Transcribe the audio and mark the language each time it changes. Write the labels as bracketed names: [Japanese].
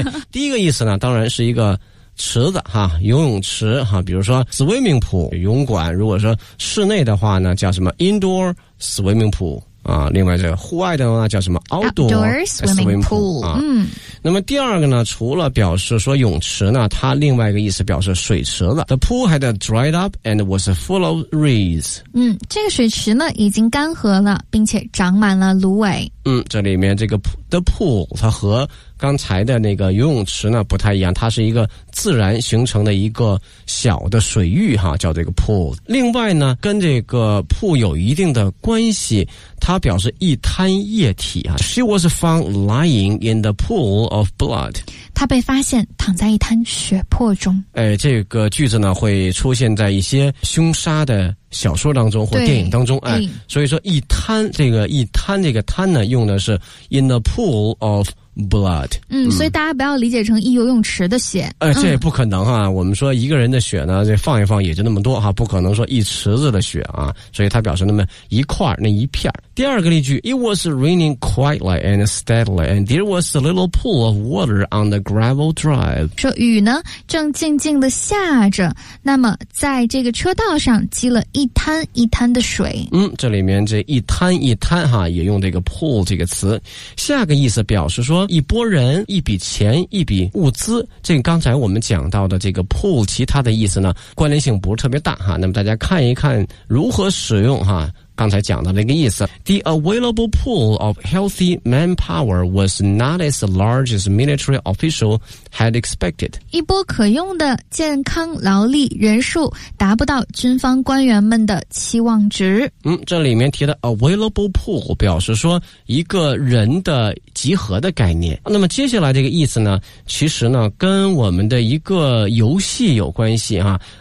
[Chinese] 第一个意思呢当然是一个池子哈，游泳池哈，比如说 swimming pool 泳馆，如果说室内的话呢叫什么 [English] indoor swimming pool [Chinese] 啊，另外这个户外的话叫什么 [English] outdoor swimming pool 啊。 [Chinese] 那么第二个呢，除了表示说泳池呢，它另外一个意思表示水池了。 [English] The pool had dried up and was full of reeds。 [Chinese] 这个水池呢已经干涸了，并且长满了芦苇。这里面这个 the pool 它和刚才的那个游泳池呢不太一样，它是一个自然形成的一个小的水域哈，叫这个 pool。另外呢跟这个 pool 有一定的关系，它表示一滩液体啊。 [English] She was found lying in the pool of blood。 [Chinese] 她被发现躺在一滩血泊中。这个句子呢会出现在一些凶杀的小说当中或电影当中。所以说一滩，这个一滩这个滩呢用的是 [English] in the pool of blood。 [Chinese] 所以大家不要理解成一游泳池的血。这也不可能啊。我们说一个人的血呢这放一放也就那么多哈，不可能说一池子的血啊。所以它表示那么一块那一片。第二个例句， [English] It was raining quietly and steadily and there was a little pool of water on the gravel drive。 [Chinese] 说雨呢正静静地下着，那么在这个车道上积了一滩一滩的水。这里面这一滩一滩哈也用这个 pool 这个词。下个意思表示说一拨人，一笔钱，一笔物资。这个刚才我们讲到的这个 pool 其他的意思呢关联性不是特别大哈，那么大家看一看如何使用哈，刚才讲的那个意思。 [English] The available pool of healthy manpower was not as large as military official had expected。 [Chinese] 一波可用的健康劳力人数达不到军方官员们的期望值。这里面提的 available pool 表示说一个人的集合的概念。那么接下来这个意思呢其实呢跟我们的一个游戏有关系哈。